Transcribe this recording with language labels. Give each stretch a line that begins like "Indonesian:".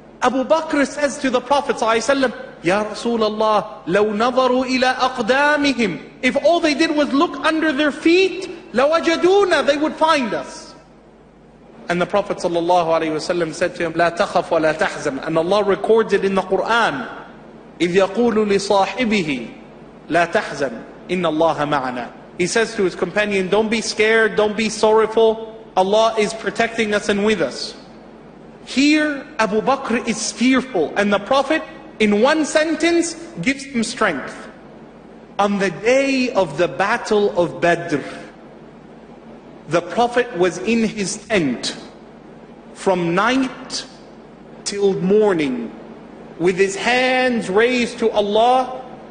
English: Abu Bakr says to the Prophet sallallahu alaihi wasallam, Ya Rasulullah,
Arabic: لو نظروا إلى أقدامهم.
English: If all they did was look under their feet,
Arabic: لوجدونا,
English: they would find us. And the Prophet sallallahu alaihi wasallam said to him,
Arabic: لا تخف ولا تحزن.
English: And Allah records it in the Quran,
Arabic: إذ يقول لصاحبه, لا تحزن, إن الله معنا.
English: He says to his companion, don't be scared, don't be sorrowful. Allah is protecting us and with us. Here, Abu Bakr is fearful, and the Prophet, in one sentence, gives him strength. On the day of the Battle of Badr, the Prophet was in his tent from night till morning, with his hands raised to Allah.